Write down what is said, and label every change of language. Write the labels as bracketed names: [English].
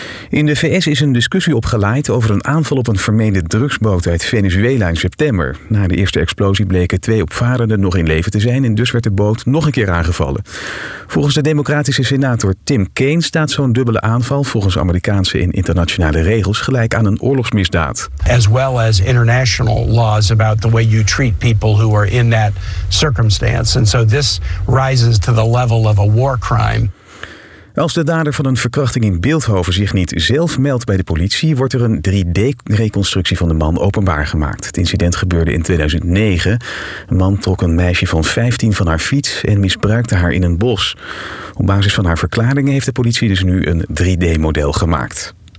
[Dutch] In de VS is een discussie opgeleid over een aanval op een vermeende drugsboot uit Venezuela in september. Na de eerste explosie bleken twee opvarenden nog in leven te zijn en dus werd de boot nog een keer aangevallen. Volgens de democratische senator Tim Kaine staat zo'n dubbele aanval volgens Amerikaanse en internationale regels gelijk aan een oorlogsmisdaad. [English] As well as international laws about the way you treat people who are in that circumstance. And so this rises to the level of a war crime. [Dutch] Als de dader van een verkrachting in Bilthoven zich niet zelf meldt bij de politie, wordt er een 3D-reconstructie van de man openbaar gemaakt. Het incident gebeurde in 2009. Een man trok een meisje van 15 van haar fiets en misbruikte haar in een bos. Op basis van haar verklaringen heeft de politie dus nu een 3D-model gemaakt.